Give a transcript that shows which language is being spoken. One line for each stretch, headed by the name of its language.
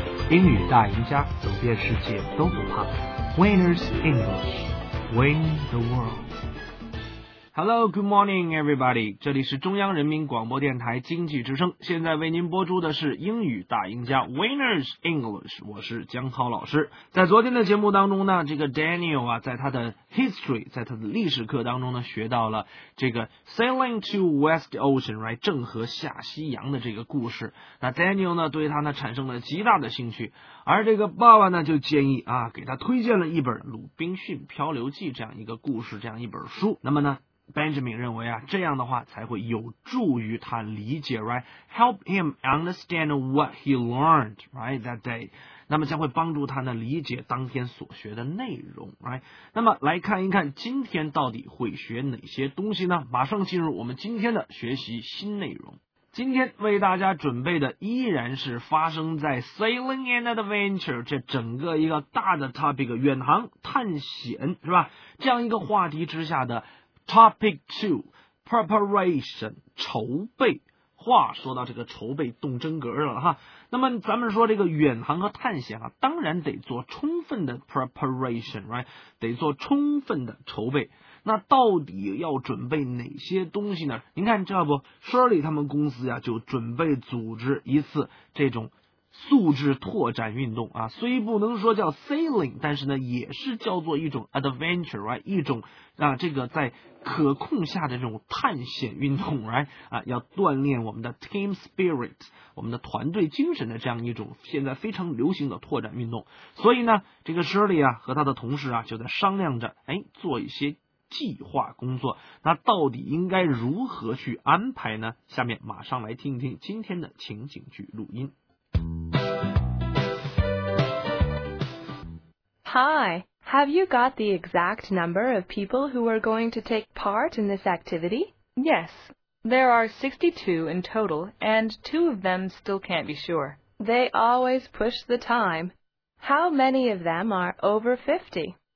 Chinese: 英语大赢家，走遍世界都不怕。
English: Winners English, win the world. Hello, good morning, everybody.
Chinese: 这里是中央人民广播电台经济之声，现在为您播出的是英语大赢家 Winners English. 我是江涛老师。在昨天的节目当中呢，这个 Daniel 啊，在他的 history, 在他的历史课当中呢，学到了这个
English: sailing to West Ocean, right?
Chinese: 郑和下西洋的这个故事。那 Daniel 呢，对他呢产生了极大的兴趣。而这个爸爸呢，就建议啊，给他推荐了一本鲁滨逊漂流记这样一个故事，这样一本书。那么呢Benjamin 认为啊，这样的话才会有助于他理解 ，right?
English: Help him understand what he learned, right? That day.
Chinese: 那么将会帮助他呢理解当天所学的内容 ，right? 那么来看一看今天到底会学哪些东西呢？马上进入我们今天的学习新内容。今天为大家准备的依然是发生在 Sailing and Adventure 这整个一个大的 topic 远航探险是吧？这样一个话题之下的。
English: Topic 2, preparation,
Chinese: 筹备。话说到这个筹备动真格了哈。那么咱们说这个远航和探险啊，当然得做充分的 preparation, right? 得做充分的筹备。那到底要准备哪些东西呢？您看这不 ,Shirley 他们公司啊就准备组织一次这种素质拓展运动啊，虽不能说叫 sailing, 但是呢也是叫做一种 adventure, right? 一种啊这个在可控下的这种探险运动 right? 啊要锻炼我们的 team spirit, 我们的团队精神的这样一种现在非常流行的拓展运动。所以呢这个 Shirley 啊和他的同事啊就在商量着哎做一些计划工作。那到底应该如何去安排呢？下面马上来听一听今天的情景剧录音。
English: Hi, have you got the exact number of people who are going to take part in this activity? Yes, there are 62 in total, and two of them still can't be sure. They always push the time. How many of them are over 50?